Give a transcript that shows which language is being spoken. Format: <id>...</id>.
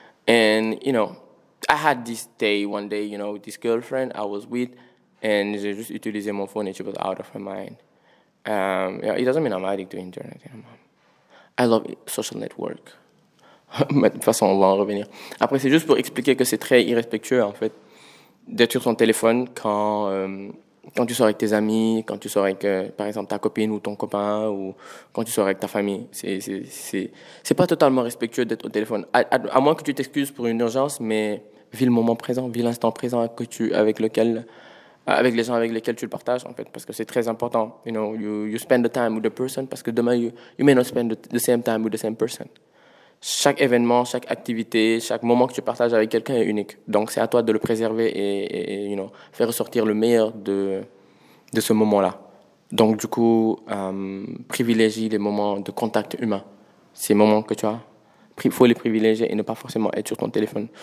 <en>And, you know, I had this day one day, you know, this girlfriend I was with. And</en> <fr>j'ai juste utilisé mon</fr> <en>phone and she was out of her mind. Yeah, it doesn't mean I'm addicted to internet. I love social network.</en> <fr>De toute façon, on va en revenir. Après, c'est juste pour expliquer que c'est très irrespectueux, en fait, d'être sur son téléphone quand... quand tu sors avec tes amis, quand tu sors avec, par exemple, ta copine ou ton copain, ou quand tu sors avec ta famille, c'est pas totalement respectueux d'être au téléphone. À moins que tu t'excuses pour une urgence, mais vis le moment présent, vis l'instant présent avec les gens avec lesquels tu le partages, en fait, parce que c'est très important.</fr> <en>You know, you spend the time with the person,</en> <fr>parce que demain,</fr> <en>you may not spend the same time with the same person.</en> <fr>Chaque événement, chaque activité, chaque moment que tu partages avec quelqu'un est unique. Donc, c'est à toi de le préserver et you know, faire ressortir le meilleur de ce moment-là. Donc, du coup, privilégie les moments de contact humain. Ces moments que tu as, il faut les privilégier et ne pas forcément être sur ton téléphone.</fr>